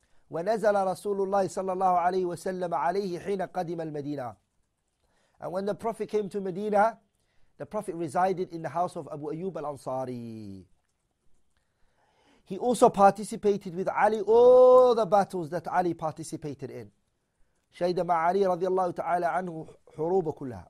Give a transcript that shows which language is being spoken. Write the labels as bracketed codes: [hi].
[ar] وَنَزَلَ رَسُولُ اللَّهِ صلى الله عليه وسلم عليه حين قدم المدينة. [en] And when the Prophet came to Medina, the Prophet resided in the house of Abu Ayyub al-Ansari. He also participated with Ali all the battles that Ali participated in. [ar] شهد مع علي رضي الله تعالى عنه حروب كلها.